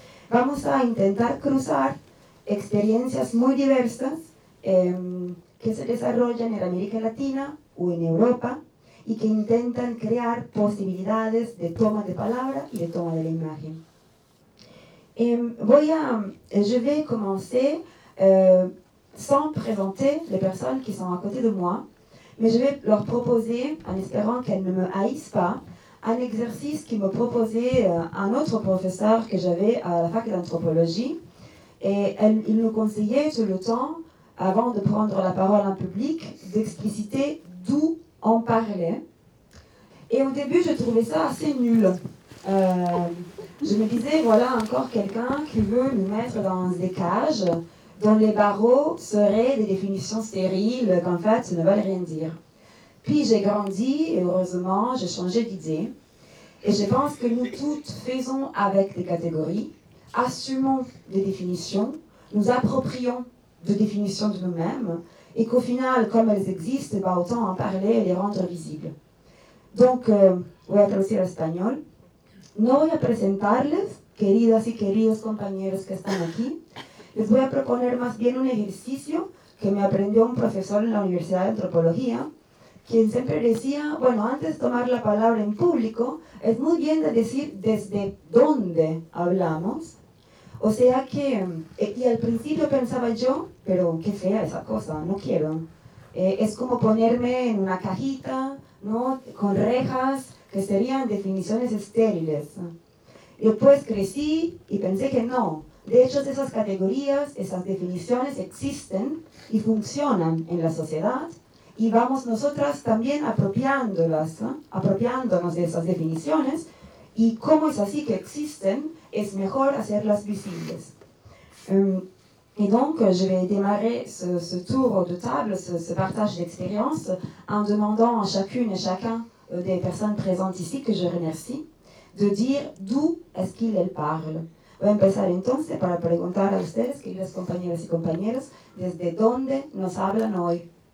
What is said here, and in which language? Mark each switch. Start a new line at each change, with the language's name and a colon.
Spanish: Vamos a intentar cruzar experiencias muy diversas que se desarrollan en América Latina o en Europa y que intentan crear posibilidades de toma de palabra y de toma de la imagen.
French: Je vais commencer sans présenter les personnes qui sont à côté de moi, mais je vais leur proposer, en espérant qu'elles ne me haïssent pas, un exercice qui me proposait un autre professeur que j'avais à la fac d'anthropologie. Et il nous conseillait tout le temps, avant de prendre la parole en public, d'expliciter d'où on parlait. Et au début, je trouvais ça assez nul. Je me disais, voilà encore quelqu'un qui veut nous mettre dans des cages dont les barreaux seraient des définitions stériles qu'en fait ne veulent rien dire. Puis j'ai grandi et heureusement j'ai changé d'idée. Et je pense que nous toutes faisons avec des catégories, assumons des définitions, nous approprions des définitions de nous-mêmes et qu'au final, comme elles existent, bah, autant en parler et les rendre visibles.
Spanish: Donc, voy a traducir l'espagnol. No voy a presentarles, queridas y queridos compañeros que están aquí. Les voy a proponer más bien un ejercicio que me aprendió un profesor en la Universidad de Antropología, quien siempre decía, bueno, antes de tomar la palabra en público, es muy bien de decir desde dónde hablamos. O sea que, y al principio pensaba yo, pero qué fea esa cosa, no quiero. Es como ponerme en una cajita, ¿no? Con rejas, que serían definiciones estériles. Y después crecí y pensé que no. De hecho, esas categorías, esas definiciones existen y funcionan en la sociedad y vamos nosotras también apropiándolas, ¿eh? Apropiándonos de esas definiciones y como es así que existen, es mejor hacerlas visibles.
French: Y donc, je vais démarrer ce tour de table, ce partage d'expérience, en demandant a chacune et chacun des personnes présentes ici, que je remercie, de dire d'où est-ce qu'elles parlent.
Spanish: Voy a empezar entonces para preguntar a ustedes, queridas compañeras y compañeros, desde dónde nos hablan hoy.